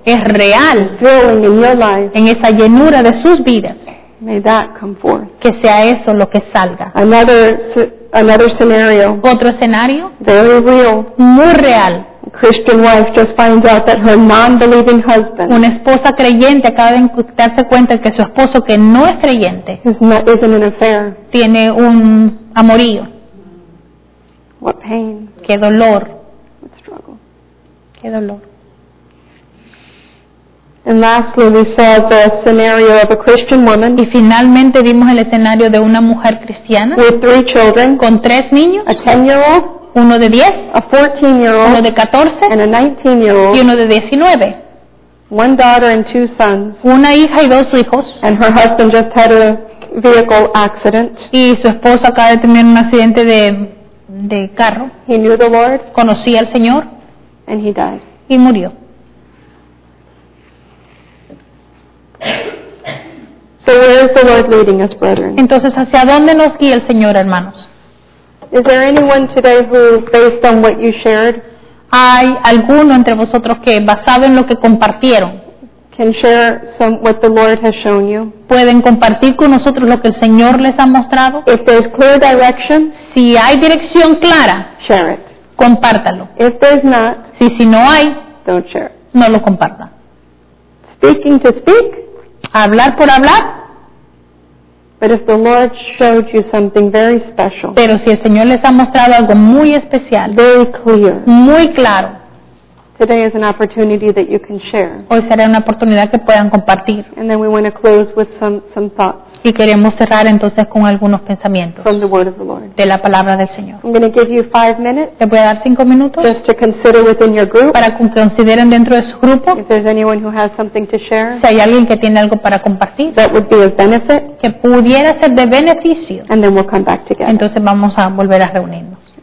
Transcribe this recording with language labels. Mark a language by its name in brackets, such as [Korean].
[Spanish] es real, [English] filling in your life, [Spanish] en esa llenura de sus vidas, [English] may that come forth. [Spanish] Que sea eso lo que salga. [English] Another scenario. [Spanish] Otro escenario. [English] Very real. [Spanish] Muy real. [English] Christian wife just finds out that her non-believing husband. [Spanish] Una esposa creyente acaba de darse cuenta que su esposo que no es creyente. [English] Is in an affair. [Spanish] Tiene un amorío. [English] What pain. [Spanish] Qué dolor. [English] What struggle. [Spanish] Qué dolor. [English] And lastly, we saw the scenario of a Christian woman. [Spanish] Y finalmente vimos el escenario de una mujer cristiana. [English] With three children. [Spanish] Con tres niños. [English] A 10-year-old. [Spanish] Uno de 10, [English] a 14-year-old, [Spanish] uno de 14, [English] and a 19-year-old, [Spanish] y uno de 19. [English] One daughter and two sons, [Spanish] una hija y dos hijos, [English] and her husband just had a vehicle accident. [Spanish] Y su esposo acaba de tener un accidente de carro. [English] He knew the Lord, [Spanish] conocía al Señor, [English] and he died. [Spanish] Y murió. [English] So where is the Lord leading us, brethren? [Spanish] Entonces, ¿hacia dónde nos guía el Señor, hermanos? [English] Is there anyone today who, based on what you shared, [Spanish] hay alguno entre vosotros que, basado en lo que compartieron, [English] can share some what the Lord has shown you? [Spanish] Pueden compartir con nosotros lo que el Señor les ha mostrado. [English] If there's clear direction, [Spanish] si hay dirección clara, [English] share it. [Spanish] Compártalo. [English] If there's not, [Spanish] si no hay, [English] don't share. [Spanish] No lo comparta. [English] Speaking to speak, [Spanish] hablar por hablar. [English] But if the Lord showed you something very special, [Spanish] pero si el Señor les ha mostrado algo muy especial, [English] very clear, [Spanish] muy claro, [English] today is an opportunity that you can share. [Spanish] Hoy será una oportunidad que puedan compartir. [English] And then we want to close with some thoughts. [Spanish] y queremos cerrar entonces con algunos pensamientos [English] from the word of the Lord. [Spanish] De la palabra del Señor. [English] I'm going to give you 5 minutes. [Spanish] Te voy a dar 5 minutos [English] just to consider within your group. [Spanish] Para consideren dentro de su grupo. [English] If there's anyone who has something to share. [Spanish] Si hay alguien que tiene algo para compartir. [English] That would be of benefit. [Spanish] Que pudiera ser de beneficio. [English] And then we'll come back together. [Spanish] Entonces vamos a volver a reunirnos.